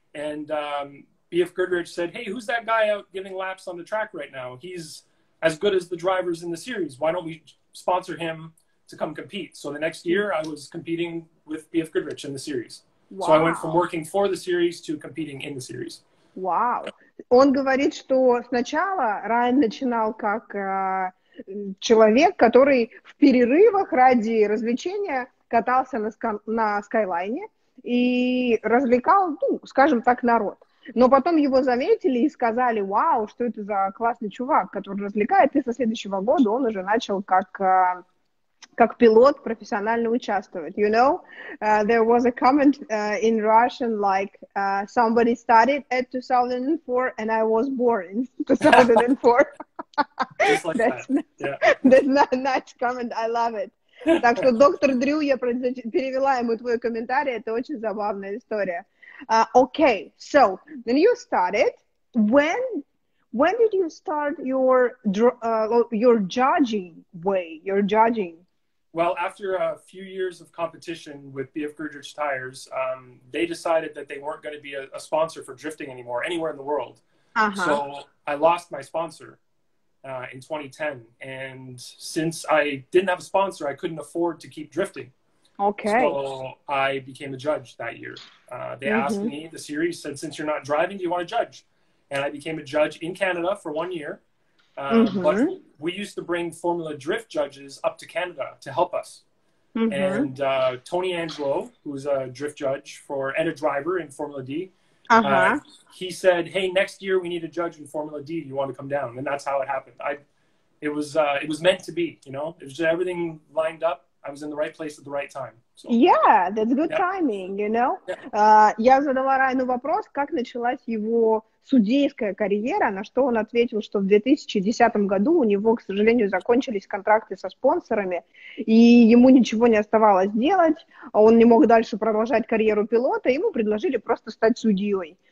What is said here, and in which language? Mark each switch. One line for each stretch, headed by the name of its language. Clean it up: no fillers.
English: And BF Goodrich said, hey, who's that guy out giving laps on the track right now? He's as good as the drivers in the series. Why don't we sponsor him to come compete? So the next year I was competing with BF Goodrich in the series. Wow. So I went from working for the series to competing in the series.
Russian: Wow. Он говорит, что сначала Райан начинал как человек, который в перерывах ради развлечения катался на скайлайне и развлекал, ну, скажем так, народ. Но потом его заметили и сказали: «Вау, что это за классный чувак, который развлекает». И со следующего года он уже начал как пилот профессионально участвовать.
English: You know, there was a comment in Russian, like, somebody started at 2004 and I was born in 2004. Just like that's that. Yeah. That's a nice comment. I love it.
Russian: Так что, доктор Дрю, я перевела ему твой комментарий. Это очень забавная история.
English: Okay, so when you started, when did you start your judging way, your judging? Well, after a few years of competition with BF Goodrich Tires, they decided that they weren't going to be a sponsor for drifting anymore anywhere in the world. Uh-huh. So I lost my sponsor in 2010. And since I didn't have a sponsor, I couldn't afford to keep drifting. Okay. So I became a judge that year. They mm-hmm. asked me, the series said, since you're not driving, do you want to judge? And I became a judge in Canada for 1 year. Mm-hmm. But we used to bring Formula Drift judges up to Canada to help us. Mm-hmm. And Tony Angelo, who's a drift judge for and a driver in Formula D, uh-huh. He said, hey, next year we need a judge in Formula D. You want to come down? And that's how it happened. It was meant to be, you know. It was just everything lined up. I was in the right place at the right time. So, yeah, that's good yeah. timing, you know. Yeah.
Russian: Я задала Райану вопрос, как началась его судейская карьера, на что он ответил, что в 2010 году у него, к сожалению, закончились контракты со спонсорами, и ему ничего не оставалось делать, он не мог дальше продолжать карьеру пилота, ему предложили просто стать судьей.